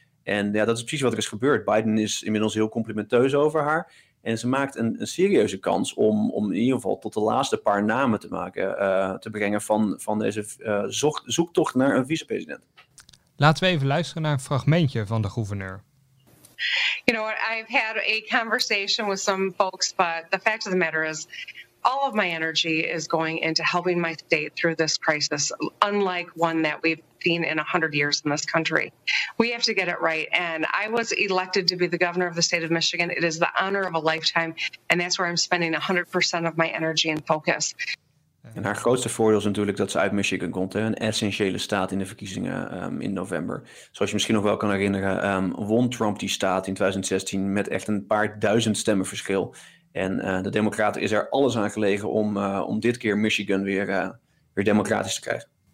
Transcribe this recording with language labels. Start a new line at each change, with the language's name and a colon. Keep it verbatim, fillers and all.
Dutch: En ja, dat is precies wat er is gebeurd. Biden is inmiddels heel complimenteus over haar. En ze maakt een, een serieuze kans om, om in ieder geval tot de laatste paar namen te maken, uh, te brengen van, van deze uh, zocht, zoektocht naar een vicepresident. Laten we even luisteren naar een fragmentje van de gouverneur.
English: You know, I've had a conversation with some folks, but the fact of the matter is, all of my energy is going into helping my state through this crisis, unlike one that we've seen in one hundred years in this country. We have to get it right. And I was elected to be the governor of the state of Michigan. It is the honor of a lifetime. And that's where I'm spending one hundred percent of my energy and focus.
Dutch: En haar grootste voordeel is natuurlijk dat ze uit Michigan komt. Hè? Een essentiële staat in de verkiezingen um, in november. Zoals je misschien nog wel kan herinneren, um, won Trump die staat in twintig zestien met echt een paar duizend stemmen verschil. En uh, de Democraten is er alles aan gelegen om, uh, om dit keer Michigan weer, uh, weer democratisch te krijgen.